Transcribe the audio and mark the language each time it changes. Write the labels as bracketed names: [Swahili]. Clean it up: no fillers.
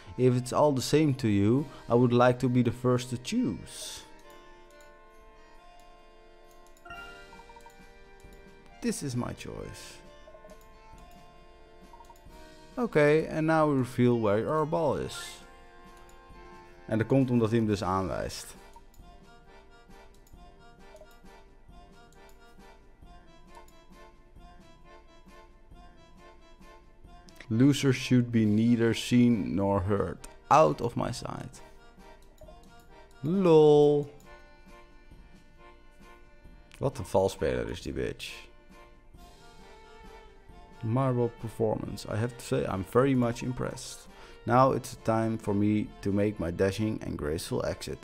[English] If it's all the same to you, I would like to be the first to choose. This is my choice. Okay, and now we reveal where our ball is. [Dutch] En dat komt omdat hij hem dus aanwijst. [English] Loser should be neither seen nor heard. Out of my sight. Lol. [Dutch] Wat een valsspeler is die bitch. [English] Marvel performance. I have to say I'm very much impressed. Now it's time for me to make my dashing and graceful exit.